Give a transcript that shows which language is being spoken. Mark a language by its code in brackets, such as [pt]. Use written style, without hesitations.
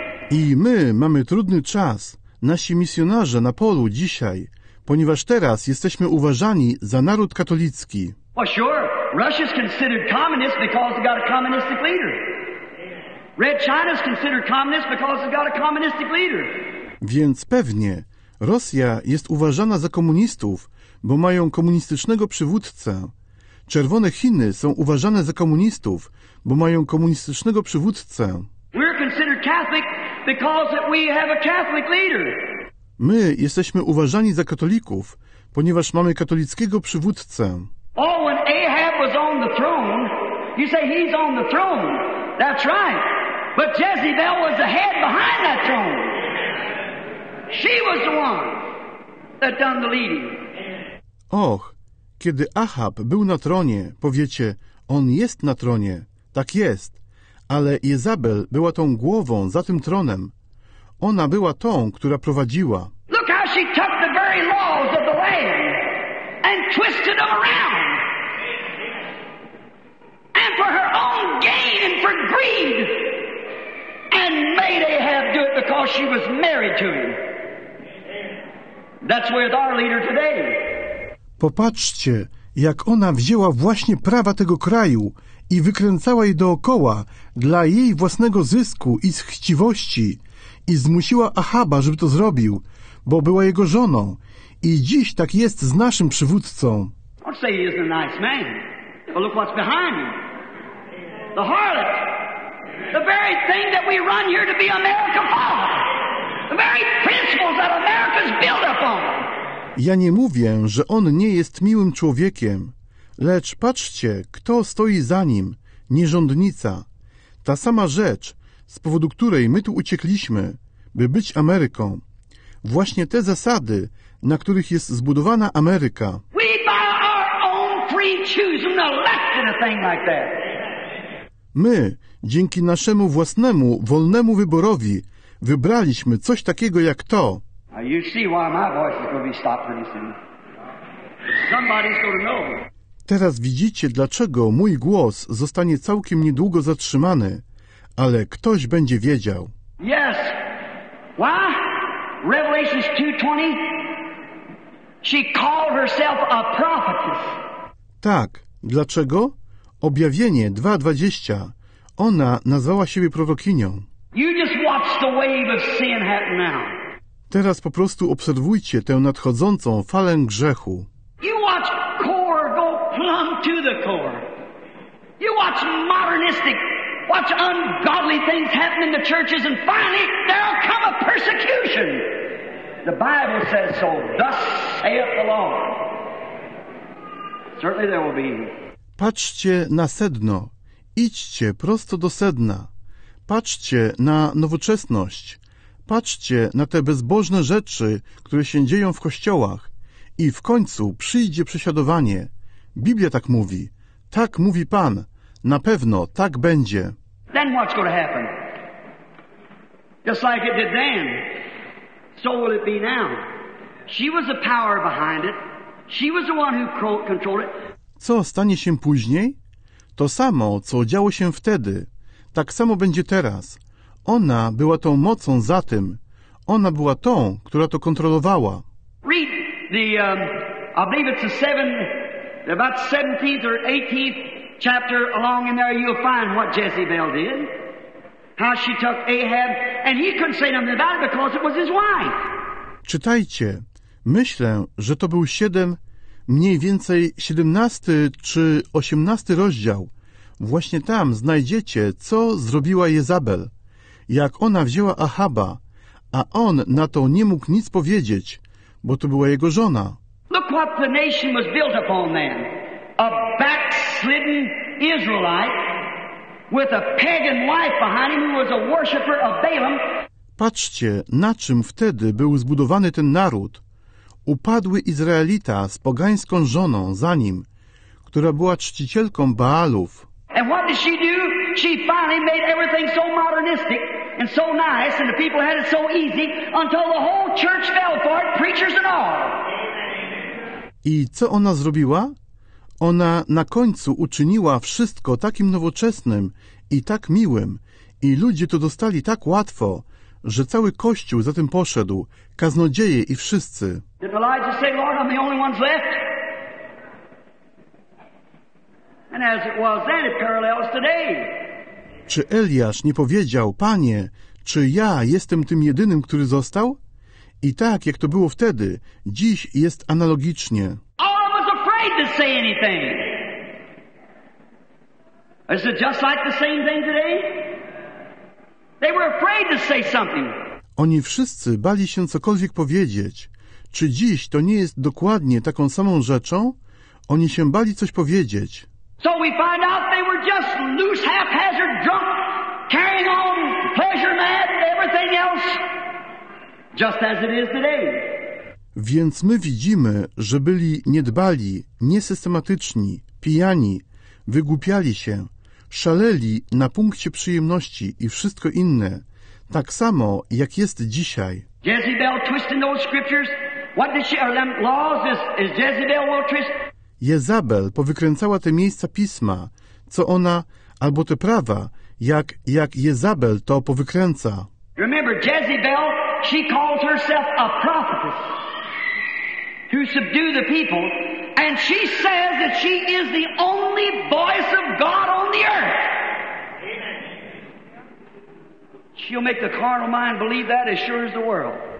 [pl] I my mamy trudny czas, nasi misjonarze na polu dzisiaj, ponieważ teraz jesteśmy uważani za naród katolicki. [en] Well, sure. Russia's considered communist because they got a communistic leader. Red China's considered communist because they got a communistic leader. [pl] Więc pewnie Rosja jest uważana za komunistów, bo mają komunistycznego przywódcę. Czerwone Chiny są uważane za komunistów, bo mają komunistycznego przywódcę. [en] We're considered Catholic because we have a Catholic leader. [pl] My jesteśmy uważani za katolików, ponieważ mamy katolickiego przywódcę. [en] Oh, when Ahab was on the throne, you say he's on the throne. That's right. But Jezebel was the head behind that throne. She was the one that done the leading. [pl] Och, kiedy Ahab był na tronie, powiecie, on jest na tronie. Tak jest. Ale Jezabel była tą głową za tym tronem. Ona była tą, która prowadziła. [en] Look how she took the very laws of the land and twisted them around. And for her own gain and for greed. And made Ahab do it because she was married to him. That's with our leader today. [pl] Popatrzcie, jak ona wzięła właśnie prawa tego kraju i wykręcała je dookoła dla jej własnego zysku i z chciwości i zmusiła Ahaba, żeby to zrobił, bo była jego żoną i dziś tak jest z naszym przywódcą. [en] I'd say he is a nice man, but look what's behind him. The harlot. The very thing that we run here to be America for. The very principles that America's built upon. [pl] Ja nie mówię, że on nie jest miłym człowiekiem, lecz patrzcie, kto stoi za nim, nierządnica. Ta sama rzecz, z powodu której my tu uciekliśmy, by być Ameryką. Właśnie te zasady, na których jest zbudowana Ameryka. [en] We by our own free choosing elected a thing like that. [pl] My, dzięki naszemu własnemu, wolnemu wyborowi, wybraliśmy coś takiego jak to. [en] You see why my voice is going to be stopped pretty soon. Somebody's going to know. [pl] Teraz widzicie, dlaczego mój głos zostanie całkiem niedługo zatrzymany, ale ktoś będzie wiedział. [en] Yes. Why? Revelation 2:20. She called herself a prophetess. [pl] Tak. Dlaczego? Objawienie 2:20. Ona nazwała siebie prorokinią. [en] You just watch the wave of sin happen now. [pl] Teraz po prostu obserwujcie tę nadchodzącą falę grzechu. [en] You watch core go plumb to the core. You watch modernistic, watch ungodly things happen in the churches, and finally there'll come a persecution. The Bible says so. Thus saith the Lord. Certainly there will be. [pl] Patrzcie na sedno. Idźcie prosto do sedna. Patrzcie na nowoczesność. Patrzcie na te bezbożne rzeczy, które się dzieją w kościołach. I w końcu przyjdzie prześladowanie. Biblia tak mówi. Tak mówi Pan. Na pewno tak będzie. [en] Then what's going to happen? Just like it did then, so will it be now. She was the power behind it. She was the one who controlled it. [pl] Co stanie się później? To samo, co działo się wtedy, tak samo będzie teraz. Ona była tą mocą za tym. Ona była tą, która to kontrolowała. [en] Read the, I believe it's the 17th or 18th chapter along in there, you'll find what Jezebel did. How she took Ahab, and he couldn't say nothing about it because it was his wife. [pl] Czytajcie. Myślę, że to był 7, mniej więcej 17 czy 18 rozdział. Właśnie tam znajdziecie, co zrobiła Jezabel. Jak ona wzięła Ahaba, a on na to nie mógł nic powiedzieć, bo to była jego żona. [en] Look what the nation was built upon then. A backslidden Israelite with a pagan wife behind him who was a worshipper of Balaam. [pl] Patrzcie, na czym wtedy był zbudowany ten naród. Upadły Izraelita z pogańską żoną za nim, która była czcicielką Baalów. [en] And what did she do? She finally made everything so modernistic and so nice, and the people had it so easy until the whole church fell for it, preachers and all. [pl] I co ona zrobiła? Ona na końcu uczyniła wszystko takim nowoczesnym i tak miłym, i ludzie to dostali tak łatwo, że cały kościół za tym poszedł, kaznodzieje i wszyscy. [en] Did Elijah say, Lord, I'm the only ones left? And as it was then, it parallels today. [pl] Czy Eliasz nie powiedział, Panie, czy ja jestem tym jedynym, który został? I tak, jak to było wtedy, dziś jest analogicznie. [en] Oh, I was afraid to say anything. Is it just like the same thing today? They were afraid to say something. [pl] Oni wszyscy bali się cokolwiek powiedzieć. Czy dziś to nie jest dokładnie taką samą rzeczą? Oni się bali coś powiedzieć. [en] So we find out they were just loose, haphazard, drunk, carrying on, pleasure mad, everything else, just as it is today. [pl] Więc my widzimy, że byli niedbali, niesystematyczni, pijani, wygłupiali się, szaleli na punkcie przyjemności i wszystko inne, tak samo jak jest dzisiaj. [en] Jezebel twisting those scriptures. What did she, are them laws? Is Jezebel will twist? [pl] Jezabel powykręcała te miejsca pisma, co ona, albo te prawa, jak Jezabel to powykręca. [en] Remember, Jezebel, she called herself a prophetess to subdue the people, and she says that she is the only voice of God on the earth. She'll make the carnal mind believe that as sure as the world.